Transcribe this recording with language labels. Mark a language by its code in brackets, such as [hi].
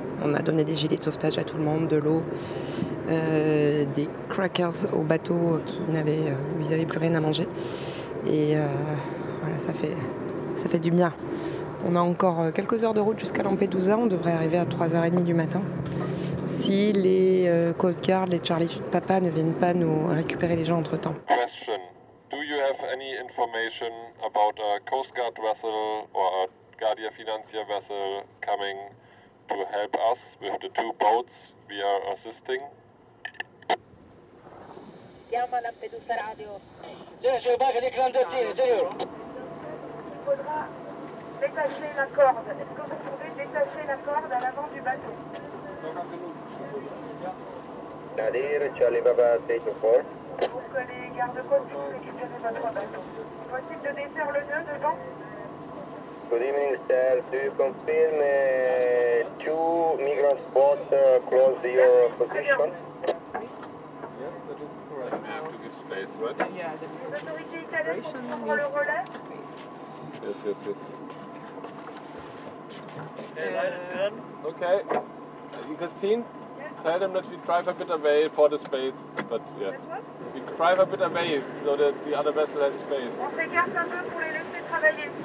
[fr] On a donné des gilets de sauvetage à tout le monde, de l'eau, des crackers au bateau qui n'avaient plus rien à manger. Et voilà, ça fait du bien. On a encore quelques heures de route jusqu'à Lampedusa. On devrait arriver à 3h30 du matin. Si les Coast Guard, les Charlie Papa ne viennent pas nous récupérer les gens entre-temps. Question. [en] Do you have any information about a Coast Guard vessel or a Guardia Financia vessel coming to help us with the two boats we are assisting? [it] Chiama Lampedusa Radio. Sì, sì, va che di clandestini, sì. [fr] Il faudra détacher la corde. Est-ce que vous pouvez détacher la corde à l'avant du bateau? [en] Nadir, Charlie Baba, stay to port. [fr] Pour que les gardes-côtes puissent récupérer votre bateau. Possible de défaire le nœud devant? [en] Good evening, sir. Do you confirm two migrant boats close to your position? Yes, that is correct. We have to give space, right? Yeah, the authority is telling us for the relay. Yes, yes, yes. Okay, light is done. Okay. Christine, yeah. Tell them that we drive a bit away for the space. But yeah. That what? We drive a bit away so that the other vessel has space. [fr] On s'écarte un peu pour les laisser travailler.